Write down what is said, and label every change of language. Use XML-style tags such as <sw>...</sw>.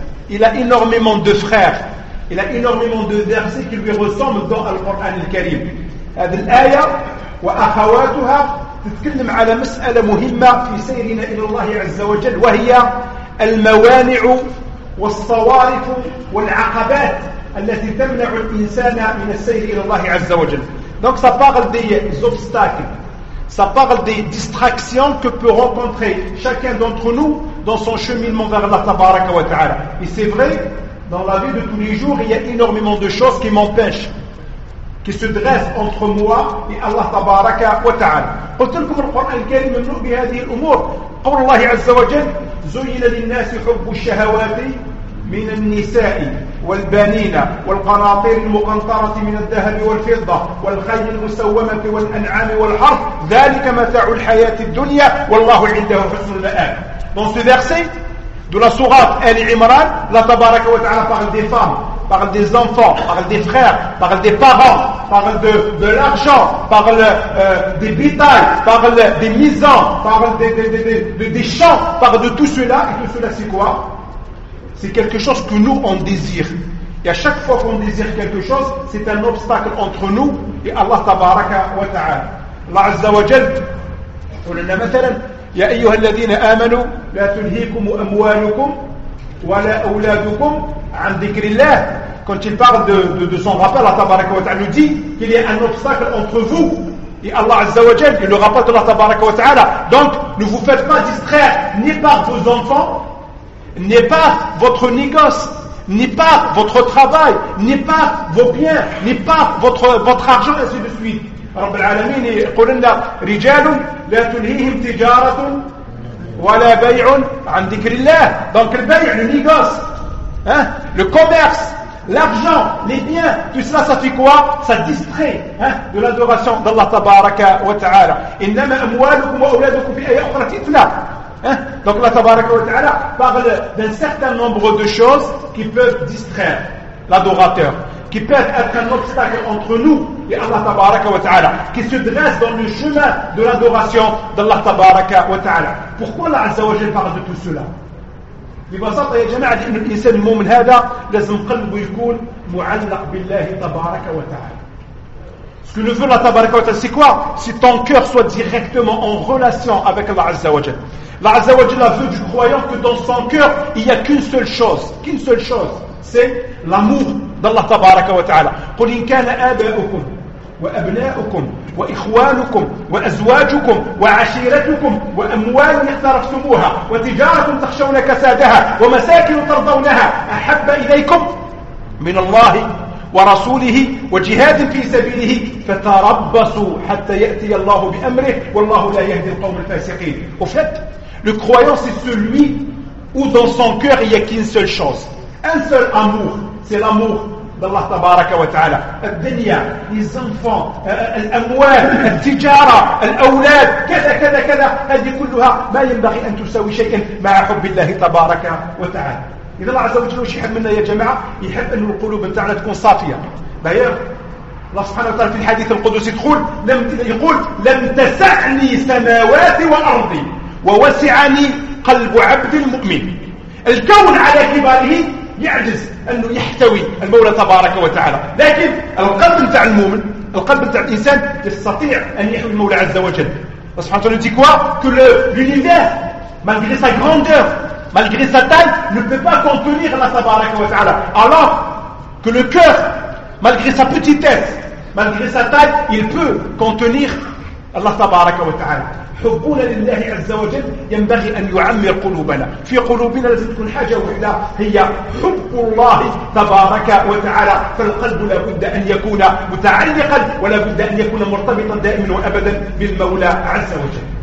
<fr>Il a énormément de frères. Il a énormément de versets qui lui ressemblent dans le Coran al-Karim.</fr> <ar>هذه الآية وأخواتها تتكلم على مسألة مهمة في سيرنا إلى الله عز وجل، وهي الموانع والصوارف والعقبات التي تمنع الإنسان من السير إلى الله عز وجل.</ar> <fr>Donc ça parle des obstacles. Ça parle des distractions que peut rencontrer chacun d'entre nous dans son cheminement vers Allah tabaraka wa ta'ala. Et c'est vrai, dans la vie de tous les jours, il y a énormément de choses qui m'empêchent, qui se dressent entre moi et Allah tabaraka wa ta'ala.</fr> <ar>قلتلكم القرآن الكريم منه بهذه الأمور. قول الله عز وجل: زين للناس حب الشهوات من النساء والبنين والقناطير المقنطرة من الذهب والفضة والخيل المسومة والأنعام والحرث ذلك متاع الحياة الدنيا والله عنده حسن المآب.</ar> <fr>Dans ce verset de la sourate Al-Imran, Allah Tabaraka wa Ta'ala parle des femmes, parle des enfants, parle des frères, parle des parents, parle de l'argent, parle des bétails, parle des misans, parle des champs, parle de tout cela. Et tout cela, c'est quoi? C'est quelque chose que nous, on désire. Et à chaque fois qu'on désire quelque chose, c'est un obstacle entre nous et Allah Tabaraka wa Ta'ala. Allah Azza wa Jal, on en a مثلاً.</fr> <ar>يا أيها الذين آمنوا لا تلهيكم أموالكم ولا أولادكم عن ذكر الله.</ar> <fr>Quand il parle de son rappel, Allah Tabaraka wa Ta'ala nous dit qu'il y a un obstacle entre vous et Allah Azza wa Jal, et le rappel de Allah Tabaraka wa Ta'ala. Donc ne vous faites pas distraire ni par vos enfants, ni par votre négoce, ni par votre travail, ni par vos biens, ni par votre argent, ainsi de suite.</fr> <ar>رب العالمين يقول لنا: رجال لا تلهيهم تجارة ولا بيع عن ذكر الله. دونك البيع</ar> <fr>لو نيغوس ها لو كوميرس l'argent, les biens, tout cela, ça fait quoi? Ça distrait de l'adoration d'Allah tabaraka wa ta'ala.</fr> <ar>Innama amwalukum wa awladukum fi ayatin ukhra itla.</ar> <fr>Donc Allah tabaraka wa ta'ala parle d'un certain nombre de choses qui peuvent distraire l'adorateur, qui peut être un obstacle entre nous et Allah Tabaraka wa Ta'ala, qui se dresse dans le chemin de l'adoration d'Allah Tabaraka wa Ta'ala. Pourquoi Allah Azza wa Jal parle de tout cela?</fr> <ar>ببساطة يا جماعة، لأن الإنسان المؤمن هذا لازم قلبه يكون معلق بالله تبارك وتعالى.</ar> <fr>Ce que ne veut la tabaraka wa ta'ala, c'est quoi? C'est ton cœur soit directement en relation avec Allah Azza wa Jal. Allah Azza wa Jal veut du croyant que dans son cœur, il n'y a qu'une seule chose, c'est l'amour d'Allah tabaraka wa ta'ala.</fr> <ar>قُلْ إِنْ كَانَ آبَاؤُكُمْ وَأَبْنَاؤُكُمْ وَإِخْوَانُكُمْ وَأَزْوَاجُكُمْ وَعَشِيرَتُكُمْ وَأَمْوَالٌ اقْتَرَفْتُمُوهَا وَتِجَارَةٌ تَخْشَوْنَ كَسَادَهَا وَمَسَاكِنُ تَرْضَوْنَهَا أَحَبَّ إِلَيْكُمْ مِنَ اللَّهِ ورسوله وجهاد في سبيله فتربصوا حتى يأتي الله بأمره والله لا يهدي القوم الفاسقين.</ar> <fr>Au fait, le croyant c'est celui où dans son cœur il n'y a qu'une seule chose, un seul amour, c'est l'amour d'Allah tabaraka wa ta'ala.</fr> <ar>Al-dunya,</ar> <fr>les enfants,</fr> <ar>al-amwal, al-tijara, al-awlad, kada, هذه كلها ما ينبغي أن تساوي شيئا مع حب الله تبارك وتعالى. إذا الله عز وجل وش يحب منا يا جماعة؟ يحب أن القلوب بتاعنا تكون صافية. دايير الله سبحانه وتعالى في الحديث القدسي يقول لم تسعني سماوات وأرضي ووسعني قلب عبد المؤمن. الكون على كباره يعجز أنه يحتوي المولى تبارك وتعالى، لكن القلب بتاع المؤمن، القلب بتاع الإنسان يستطيع أن يحب المولى عز وجل. الله سبحانه وتعالى يقول</ar> <fr>كل لونيفير malgré sa grandeur malgré sa taille, ne peut pas contenir la tabaraka wa ta'ala. Alors que le cœur, malgré sa petitesse, malgré sa taille, il peut contenir la tabaraka wa ta'ala.</fr> <ar>حبنا لله عز وجل ينبغي أن يعمر قلوبنا. في قلوبنا لازم تكون حاجة واحدة هي حب الله تبارك وتعالى. فالقلب لا بد أن يكون متعلقا ولا بد أن يكون مرتبطا دائما وأبدا بالمولى عز وجل.</ar>